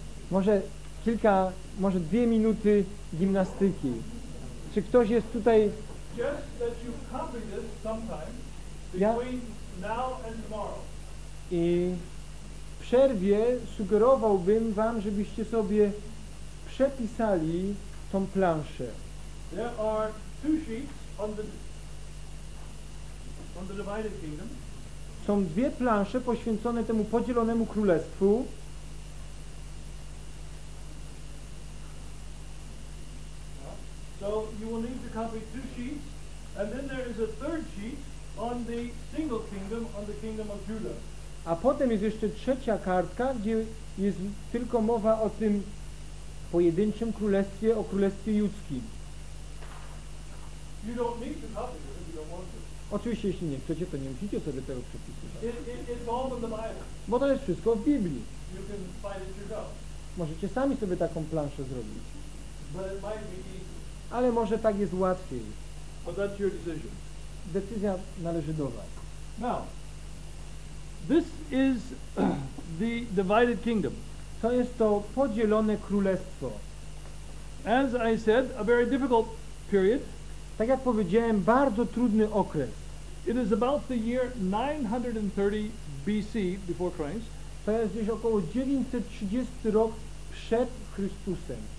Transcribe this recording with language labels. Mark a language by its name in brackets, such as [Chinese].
[Polish] Może kilka, może dwie minuty gimnastyki. Czy ktoś jest tutaj? [English] Just that you copy this sometime between now and tomorrow. [Polish] I w przerwie sugerowałbym wam, żebyście sobie przepisali tą planszę. [English] There are two sheets on the divided kingdom. [Polish] Są dwie plansze poświęcone temu podzielonemu królestwu. [English] So you will need to copy two sheets, and then there is a third sheet on the single kingdom, on the kingdom of Judah. [Polish] A potem jest jeszcze trzecia kartka, gdzie jest tylko mowa o tym pojedynczym królestwie, o królestwie judzkim. [English] You don't need to copy it if you don't want to. [Polish] Oczywiście, jeśli nie chcecie, to nie musicie sobie tego przepisać. [English] It's all in the Bible. [Polish] Bo to jest wszystko w Biblii. [English] You can find it yourself. [Polish] Możecie sami sobie taką planszę zrobić. [English] But it might be easy. [Polish] Ale może tak jest łatwiej. [English] But that's your decision. [Polish] Decyzja należy do was. [English] Now, this is the divided kingdom. [Polish] To jest to podzielone królestwo. [English] As I said, a very difficult period. [Polish] Tak jak powiedziałem, bardzo trudny okres. [English] It is about the year 930 BC before Christ. [Polish] To jest gdzieś około 930 rok przed Chrystusem.